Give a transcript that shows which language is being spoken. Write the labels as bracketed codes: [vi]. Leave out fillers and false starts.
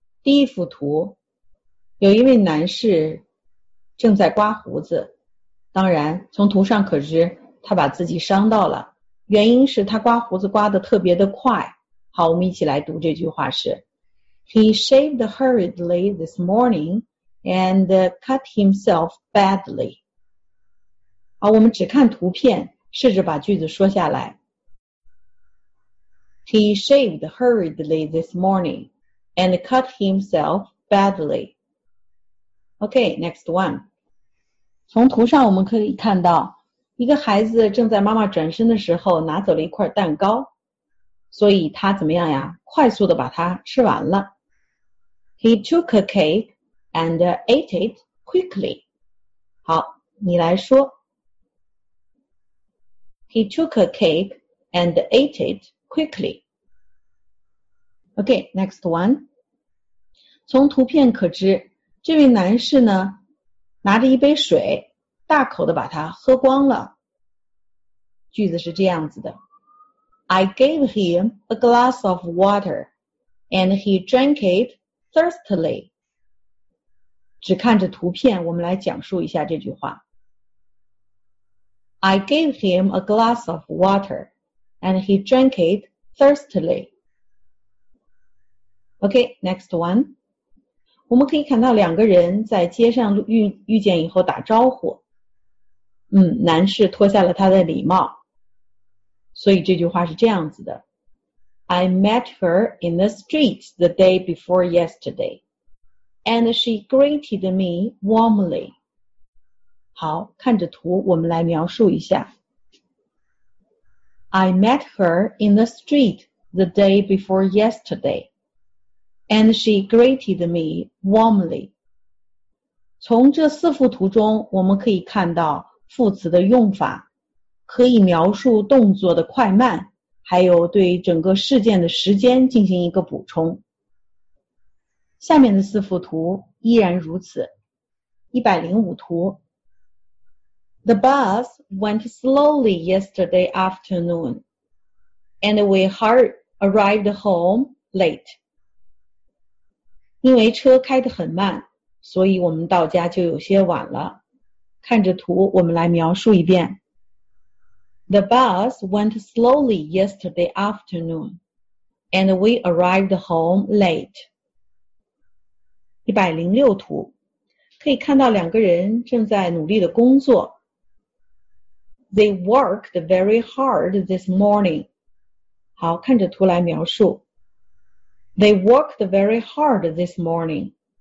[zh] 第一幅图，有一位男士正在刮胡子。当然，从图上可知，他把自己伤到了。原因是他刮胡子刮得特别的快。好，我们一起来读这句话是。 [en] He shaved hurriedly this morning and cut himself badly. [zh] 好，我们只看图片，试着把句子说下来。 [en] He shaved hurriedly this morning and cut himself badly. Okay, next one. [zh] 从图上我们可以看到，一个孩子正在妈妈转身的时候拿走了一块蛋糕，所以他怎么样呀？快速的把它吃完了。 [en] He took a cake and ate it quickly. [zh] 好，你来说。 [en] He took a cake and ate it quickly. Okay, next one. [zh] 从图片可知，这位男士呢，拿着一杯水，大口的把它喝光了。句子是这样子的。 [en] I gave him a glass of water and he drank it thirstily. [zh] 只看着图片，我们来讲述一下这句话。 [en] I gave him a glass of water and he drank it thirstily. Okay, next one. [zh] 我们可以看到两个人在街上 遇见以后打招呼。男士脱下了他的礼帽。所以这句话是这样子的。 [en] I met her in the street the day before yesterday, and she greeted me warmly. [zh] 好，看着图，我们来描述一下。 [en] I met her in the street the day before yesterday, and she greeted me warmly. [zh] 从这四幅图中，我们可以看到副词的用法，可以描述动作的快慢，还有对整个事件的时间进行一个补充。下面的四幅图依然如此。 105图。 [en] The bus went slowly yesterday afternoon, and we arrived home late. [zh] 因为车开得很慢，所以我们到家就有些晚了。看着图，我们来描述一遍。 [en] The bus went slowly yesterday afternoon, and we arrived home late. [zh] 106图，可以看到两个人正在努力的工作。 [en] They worked very hard this morning. [zh] 好，看着图来描述。 [en] They worked very hard this morning.